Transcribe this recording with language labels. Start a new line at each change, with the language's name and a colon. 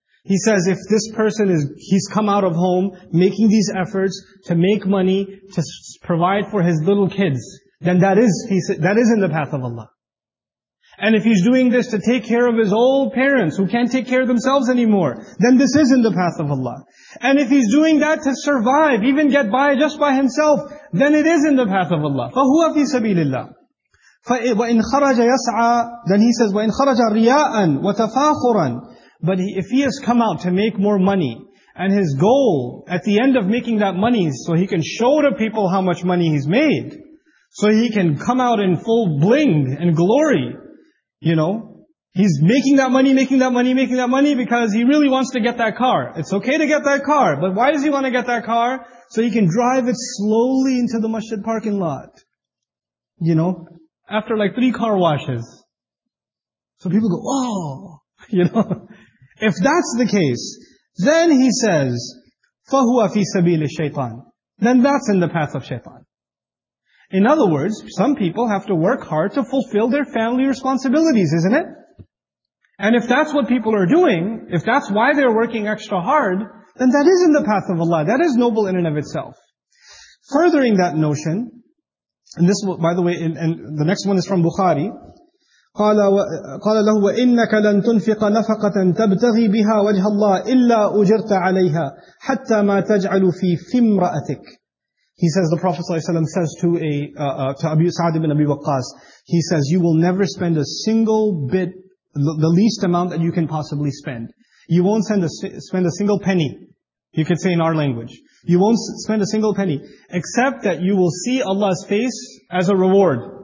English: He says, if this person is, he's come out of home making these efforts to make money, to provide for his little kids, then that is in the path of Allah. And if he's doing this to take care of his old parents who can't take care of themselves anymore, then this is in the path of Allah. And if he's doing that to survive, even get by just by himself, then it is in the path of Allah.
Arabic: فَهُوَ فِي سَبِيلِ اللَّهِ. وَإِنْ خَرَجَ يَسْعَى.
English: Then he says,
Arabic: وَإِنْ خَرَجَ رِيَاءً وَتَفَاخُرًا.
English: But if he has come out to make more money, and his goal at the end of making that money is so he can show to people how much money he's made, so he can come out in full bling and glory, you know, he's making that money because he really wants to get that car. It's okay to get that car, but why does he want to get that car? So he can drive it slowly into the masjid parking lot. You know, after like 3 car washes. So people go, oh, you know. If that's the case, then he says,
Arabic: فَهُوَ فِي سَبِيلِ الشَّيْطَانِ.
English: Then that's in the path of shaitan. In other words, some people have to work hard to fulfill their family responsibilities, isn't it? And if that's what people are doing, if that's why they're working extra hard, then that is in the path of Allah. That is noble in and of itself. Furthering that notion, and this, by the way, and the next one is from Bukhari.
Arabic: قال له وإنك لن تنفق نفقة تبتغي بها وجه الله إلا أجرت عليها حتى ما تجعل في امرأتك.
English: He says, the Prophet ﷺ says to Abu Sa'd ibn Abi Waqqas, he says, you will never spend a single bit, the least amount that you can possibly spend. You won't spend a single penny, you could say in our language. You won't spend a single penny, except that you will see Allah's face as a reward.